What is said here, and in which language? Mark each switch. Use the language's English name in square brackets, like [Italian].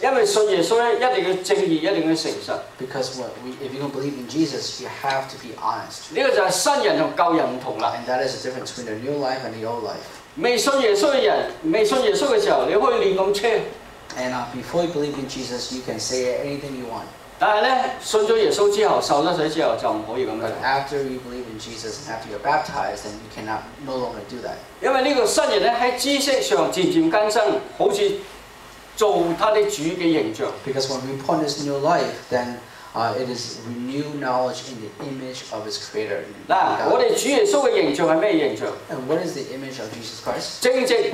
[English] Because if you don't believe in Jesus, you have to be honest. And that is the difference between the new life and the old life. And before you believe in Jesus, you can say anything you want. [Chinese] 但是呢,受了耶稣之后,受了水之后,就不可以这样说。But [English] after you believe in Jesus, after you're baptized, then you cannot no longer do that. [Chinese] 因为这个圣人呢,在知识上渐渐更新,好像做他的主的形象。 [English] Because when we point this new life, then it is renewed knowledge in the image of his creator. [Chinese] 那我们主耶稣的形象是什么形象? [English] And what is the image of Jesus Christ?